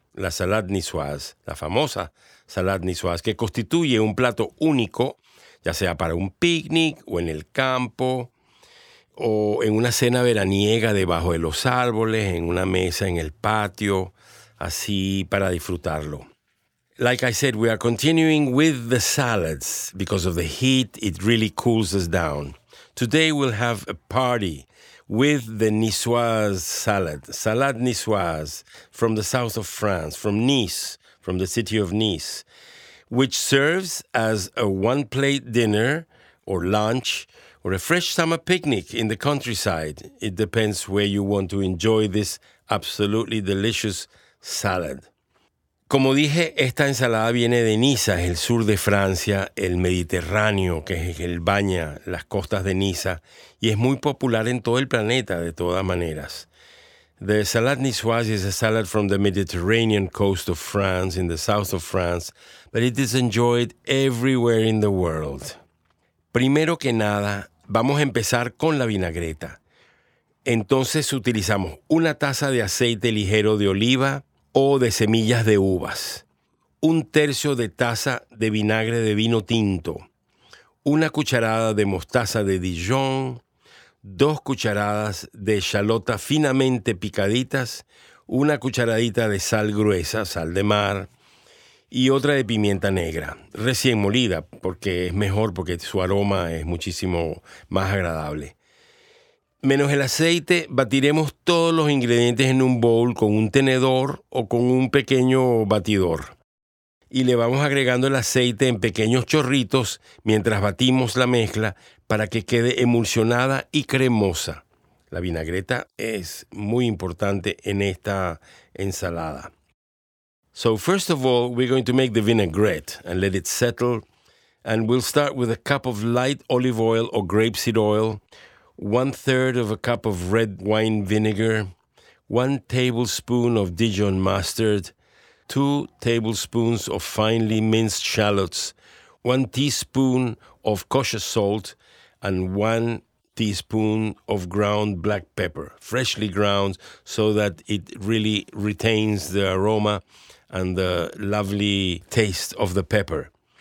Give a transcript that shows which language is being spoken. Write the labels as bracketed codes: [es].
[es] La Salade Nicoise, la famosa Salade Nicoise, que constituye un plato único, ya sea para un picnic o en el campo, o en una cena veraniega debajo de los árboles, en una mesa en el patio, así para disfrutarlo. [en] Like I said, we are continuing with the salads. Because of the heat, it really cools us down. Today we'll have a party with the Nicoise salad, Salade Nicoise, from the south of France, from Nice, from the city of Nice, which serves as a one-plate dinner or lunch or a fresh summer picnic in the countryside. It depends where you want to enjoy this absolutely delicious salad. [es] Como dije, esta ensalada viene de Niza, el sur de Francia, el Mediterráneo, que es el baña, las costas de Niza, y es muy popular en todo el planeta, de todas maneras. [en] The Salade Nicoise is a salad from the Mediterranean coast of France, in the south of France, but it is enjoyed everywhere in the world. [es] Primero que nada, vamos a empezar con la vinagreta. Entonces utilizamos una taza de aceite ligero de oliva, o de semillas de uvas, un tercio de taza de vinagre de vino tinto, una cucharada de mostaza de Dijon, dos cucharadas de shallota finamente picaditas, una cucharadita de sal gruesa, sal de mar, y otra de pimienta negra, recién molida, porque es mejor, porque su aroma es muchísimo más agradable. Menos el aceite, batiremos todos los ingredientes en un bowl con un tenedor o con un pequeño batidor. Y le vamos agregando el aceite en pequeños chorritos mientras batimos la mezcla para que quede emulsionada y cremosa. La vinagreta es muy importante en esta ensalada. [en] So first of all, we're going to make the vinaigrette and let it settle. And we'll start with a cup of light olive oil or grapeseed oil, 1/3 of a cup of red wine vinegar, 1 tablespoon of Dijon mustard, 2 tablespoons of finely minced shallots, 1 teaspoon of kosher salt, and 1 teaspoon of ground black pepper, freshly ground so that it really retains the aroma and the lovely taste of the pepper.